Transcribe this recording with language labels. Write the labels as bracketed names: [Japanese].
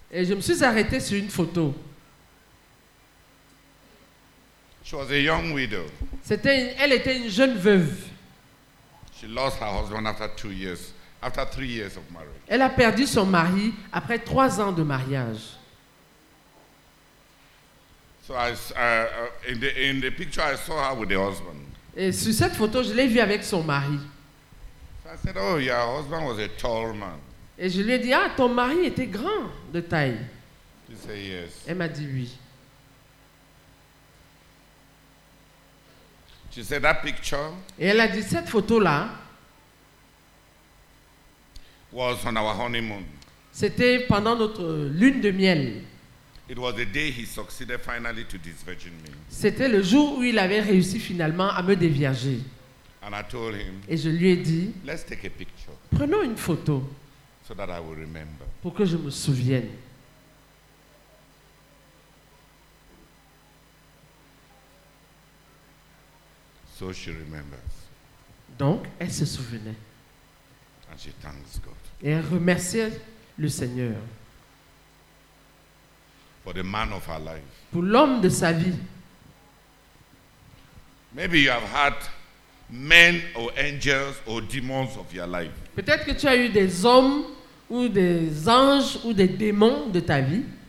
[French] Et je me suis arrêté sur une photo. [English] She was a young widow. [French] Elle était une jeune veuve. [English] She lost her husband after 3 years of marriage. [French] Elle a perdu son mari après 3 ans de mariage. [English] So in the picture I saw her with the husband. [French] Et sur cette photo, je l'ai vue avec son mari. [English] So I said, oh, your husband was a tall man. [French] Et je lui ai dit, ah, ton mari était grand de taille. [English] She said yes. [French] Elle m'a dit oui. [English] She said that picture. [French] Et elle a dit, cette photo-là [English] was on our honeymoon. [French] C'était pendant notre lune de miel. [English] It was the day he succeeded finally to disvirgin me. [French] C'était le jour où il avait réussi finalement à me dévierger. [English] And I told him, [French] et je lui ai dit, [English] let's take a picture. [French] Prenons une photo. [English] So that I will remember. [French] Pour que je me souvienne. [English] So she remembers. [French] Donc, elle se souvenait. [English] And she thanks God. [French] Et elle remerciait le Seigneur. [English] For the man of her life. [French] Pour l'homme de sa vie. [English] Maybe you have had men or angels or demons of your life. [French] Peut-être que tu as eu des hommes ou des anges ou des démons de ta vie.